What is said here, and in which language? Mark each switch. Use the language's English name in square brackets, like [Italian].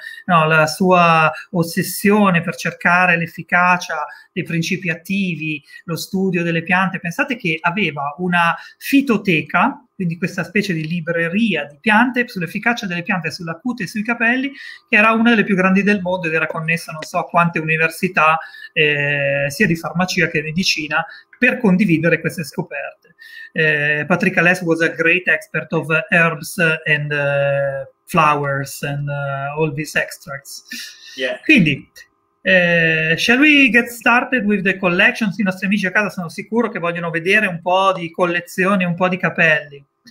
[Italian] no, la sua ossessione per cercare l'efficacia dei principi attivi, lo studio delle piante, pensate che aveva una fitoteca, quindi questa specie di libreria di piante, sull'efficacia delle piante, sulla cute e sui capelli, che era una delle più grandi del mondo ed era connessa non so a quante università, sia di farmacia che medicina, per condividere queste scoperte. [English] Patrick Aless was a great expert of herbs and flowers and all these extracts. Yeah. Quindi, shall we get started with the collections? [Italian] I nostri amici a casa sono sicuro che vogliono vedere un po' di collezioni, un po' di capelli.